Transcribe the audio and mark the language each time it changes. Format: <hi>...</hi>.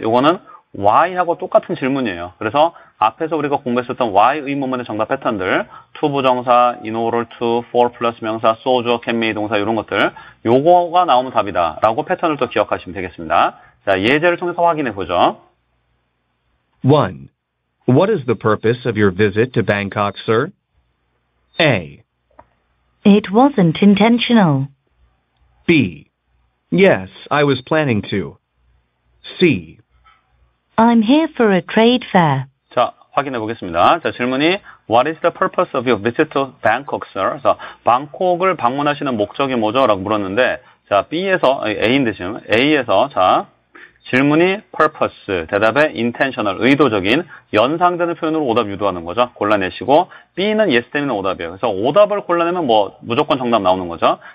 <ko>요거는 why 하고 똑같은 질문이에요. 그래서 앞에서 우리가 공부했었던 why 의문문의 정답 패턴들 to 부정사, in order to, for plus 명사, so, do, can, may 동사 이런 것들 요거가 나오면 답이다 라고 패턴을 또 기억하시면 되겠습니다. 자, 예제를 통해서 확인해 보죠.</ko> <en>1. What is the purpose of your visit to Bangkok, sir? A. It wasn't intentional. B. Yes, I was planning to. C. I'm here for a trade fair.</en> <ko>자, 확인해 보겠습니다. 자, 질문이</ko> <en>What is the purpose of your visit to Bangkok, sir?</en> <ko>그래서 방콕을 방문하시는 목적이 뭐죠? 라고 물었는데 자, B에서 A인데 지금 A에서 자, 질문이 purpose, 대답에 intentional, 의도적인, 연상되는 표현으로 오답 유도하는 거죠. 골라내시고 B는 yes 때문에 오답이에요. 그래서 오답을 골라내면 뭐 무조건 정답 나오는 거죠.</ko>